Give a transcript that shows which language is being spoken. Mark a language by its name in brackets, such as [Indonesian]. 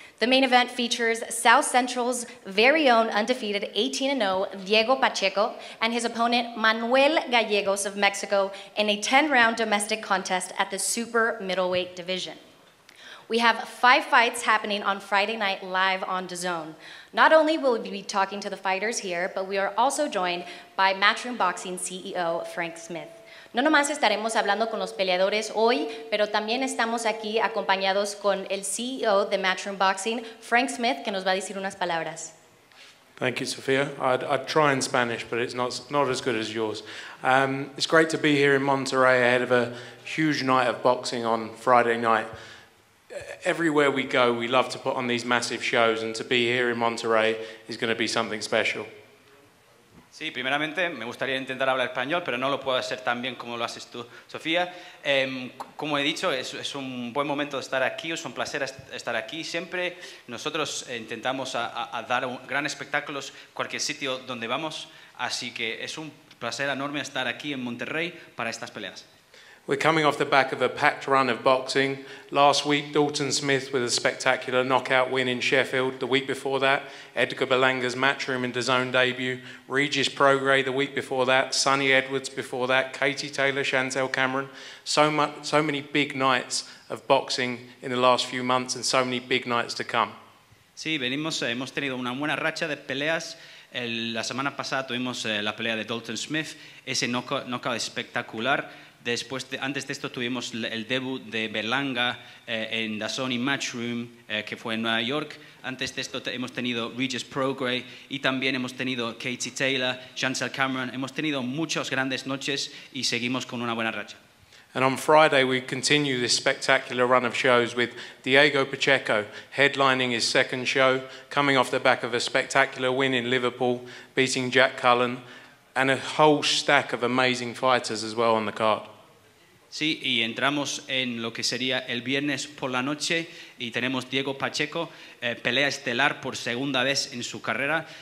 [English] The main event features South Central's very own undefeated 18-0 Diego Pacheco and his opponent Manuel Gallegos of Mexico in a 10-round domestic contest at the super middleweight division. We have five fights happening on Friday night live on DAZN. Not only will we be talking to the fighters here, but we are also joined by Matchroom Boxing CEO Frank Smith. [Spanish] No nomás estaremos hablando con los peleadores hoy, pero también estamos aquí acompañados con el CEO de Matchroom Boxing, Frank Smith, que nos va a decir unas palabras. [English] Thank you, Sofia. I'd try in Spanish, but it's not as good as yours. It's great to be here in Monterrey ahead of a huge night of boxing on Friday night. Everywhere we go, we love to put on these massive shows, and to be here in Monterrey is going to be something special. [Spanish] Sí, primeramente me gustaría intentar hablar español, pero no lo puedo hacer tan bien como lo haces tú, Sofía. Como he dicho, es un buen momento de estar aquí, es un placer estar aquí. Siempre nosotros intentamos a dar grandes espectáculos cualquier sitio donde vamos, así que es un placer enorme estar aquí en Monterrey para estas peleas. [English] We're coming off the back of a packed run of boxing. Last week, Dalton Smith with a spectacular knockout win in Sheffield. The week before that, Edgar Belanga's Matchroom in DAZN debut. Regis Progray the week before that. Sonny Edwards before that. Katie Taylor, Chantel Cameron. So many big nights of boxing in the last few months, and so many big nights to come. [Spanish] Sí, hemos tenido una buena racha de peleas. La semana pasada tuvimos la pelea de Dalton Smith. Ese knockout espectacular. Después, antes de esto tuvimos el debut de Berlanga en DAZN y Matchroom, que fue en Nueva York. Antes de esto hemos tenido Regis Progray y también hemos tenido Katie Taylor, Chantel Cameron. Hemos tenido muchas grandes noches y seguimos con una buena racha. [English] And on Friday, we continue this spectacular run of shows with Diego Pacheco headlining his second show, coming off the back of a spectacular win in Liverpool, beating Jack Cullen. And a whole stack of amazing fighters as well on the card. [Spanish] Sí, y entramos en lo que sería el viernes por la noche y tenemos Diego Pacheco, pelea estelar por segunda vez en su carrera.